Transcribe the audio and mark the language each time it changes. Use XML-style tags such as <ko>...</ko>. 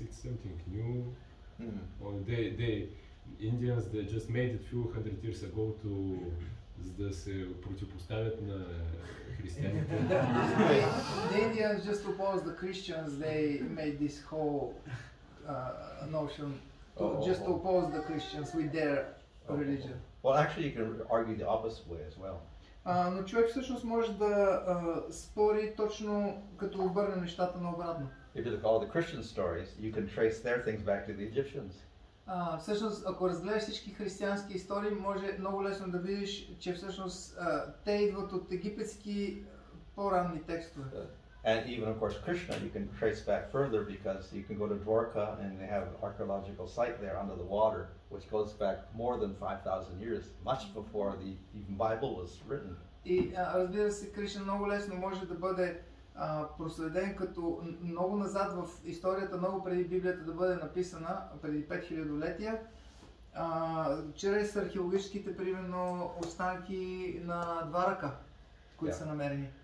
<en>It's something new. Well, they Indians, they just made it a few hundred years ago to</en> <bg>да се противопоставят на християните.</bg> <en>The Indians just opposed the Christians, they made this whole notion to just to oppose the Christians with their religion. Well, actually, you can argue the opposite way as well.</en> <bg>Но човек всъщност може да спори точно като обърне нещата наобратно.</bg> <en>If you look at all the Christian stories, you can trace their things back to the Egyptians.</en> <bg>Всъщност, ако разгледаш всички християнски истории, може много лесно да видиш, че всъщност те идват от египетски по-ранни текстове.</bg> <en>And even, of course, Krishna, you can trace back further because you can go to Dwarka and they have an archaeological site there under the water, which goes back more than 5,000 years, much before the even Bible was written.</en> <bg>И разбира се, Кришна много лесно може да бъде проследен като много назад в историята, много преди Библията да бъде написана, преди 5000 летия, чрез археологическите, примерно, останки на Дварка, които са намерени.</bg>